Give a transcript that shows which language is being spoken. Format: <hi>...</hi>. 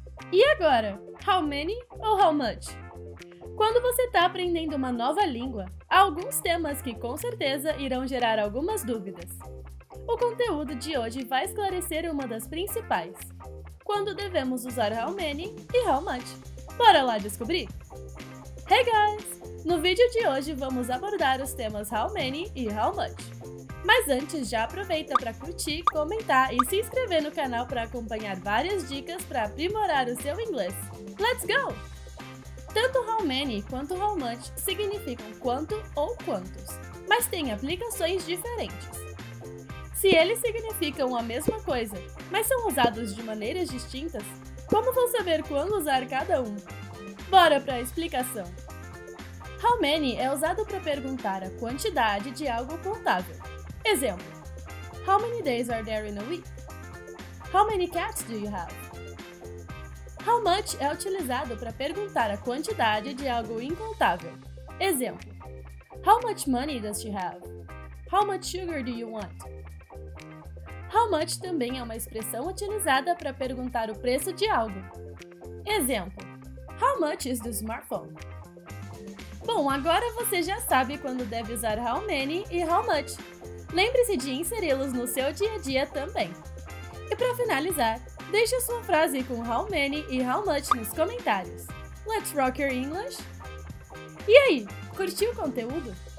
<pt>E agora, how many ou how much? Quando você está aprendendo uma nova língua, há alguns temas que com certeza irão gerar algumas dúvidas. O conteúdo de hoje vai esclarecer uma das principais. Quando devemos usar how many e how much? Bora lá descobrir?</pt> <en>Hey guys!</en> <pt>No vídeo de hoje vamos abordar os temas how many e how much. Mas antes, já aproveita para curtir, comentar e se inscrever no canal para acompanhar várias dicas para aprimorar o seu inglês.</pt> <en>Let's go!</en> <pt>Tanto how many quanto how much significam quanto ou quantos, mas têm aplicações diferentes. Se eles significam a mesma coisa, mas são usados de maneiras distintas, como vou saber quando usar cada um? Bora para a explicação! How many é usado para perguntar a quantidade de algo contável.</pt> <en>Exemplo: how many days are there in a week? How many cats do you have?</en> <pt>How much é utilizado para perguntar a quantidade de algo incontável.</pt> <en>Exemplo: how much money does she have? How much sugar do you want?</en> <pt>How much também é uma expressão utilizada para perguntar o preço de algo.</pt> <en>Exemplo: how much is the smartphone?</en> <pt>Bom, agora você já sabe quando deve usar how many e how much. Lembre-se de inseri-los no seu dia a dia também. E para finalizar, deixe a sua frase com how many e how much nos comentários.</pt> <en>Let's rock your English!</en> <pt>E aí, curtiu o conteúdo?</pt>